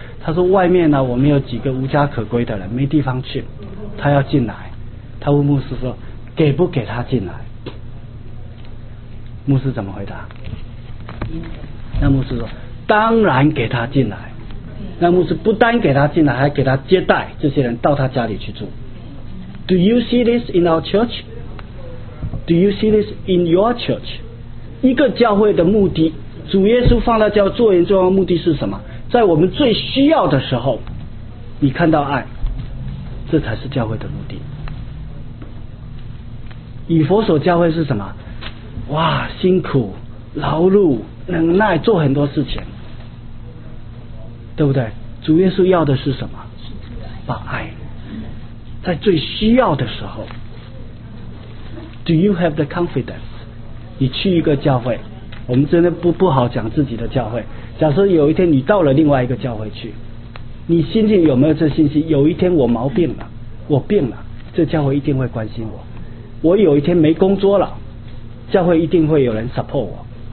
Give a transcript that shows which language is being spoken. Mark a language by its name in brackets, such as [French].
[Chinese] 他说外面呢，我们有几个无家可归的人没地方去，他要进来。他问牧师说，给不给他进来？牧师怎么回答？那牧师说，当然给他进来。那牧师不单给他进来，还给他接待这些人到他家里去住。 [English] Do you see this in our church? Do you see this in your church? [Chinese] 一个教会的目的，主耶稣放在教会做人最重要的目的是什么？在我们最需要的时候，你看到爱，这才是教会的目的。以弗所教会是什么？哇，辛苦、劳碌、忍耐，做很多事情，对不对？主耶稣要的是什么？把爱。在最需要的时候 [English] Do you have the confidence? [Chinese] 你去一个教会，我们真的不好讲自己的教会，假设有一天你到了另外一个教会去，你心里有没有这信心？有一天我毛病了，我病了，这教会一定会关心我。我有一天没工作了，教会一定会有人 support 我。